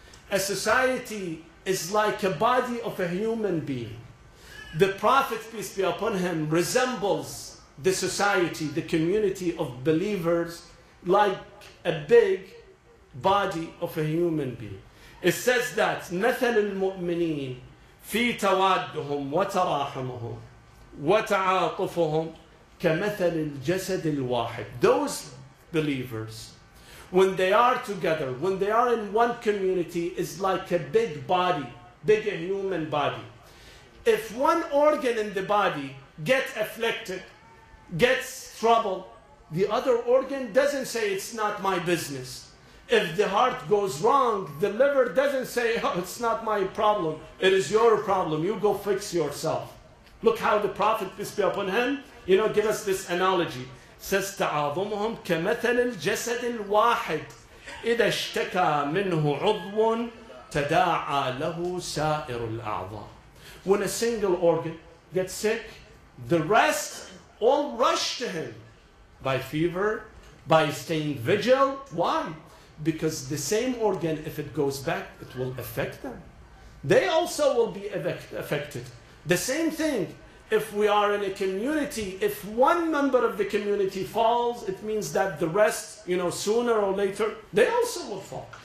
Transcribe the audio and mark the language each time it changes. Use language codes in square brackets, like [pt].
[en] A society is like a body of a human being. The Prophet, peace be upon him, resembles the society, the community of believers, like a big body of a human being. It says that [ar] مثل المؤمنين في توادهم وتراحمهم وتعاطفهم كمثل الجسد الواحد. [en] Those believers, when they are together, when they are in one community, is like a big body, big human body. If one organ in the body gets afflicted, gets trouble, the other organ doesn't say, it's not my business. If the heart goes wrong, the liver doesn't say, oh, it's not my problem. It is your problem. You go fix yourself. Look how the Prophet, peace be upon him, you know, give us this analogy. Says, [ar] تعاظمهم كمثل الجسد الواحد إذا اشتكى منه عضو تداعى له سائر الأعضاء. [en] When a single organ gets sick, the rest all rush to him by fever, by staying vigil. Why? Because the same organ, if it goes back, it will affect them. They also will be affected. The same thing, if we are in a community, if one member of the community falls, it means that the rest, you know, sooner or later, they also will fall.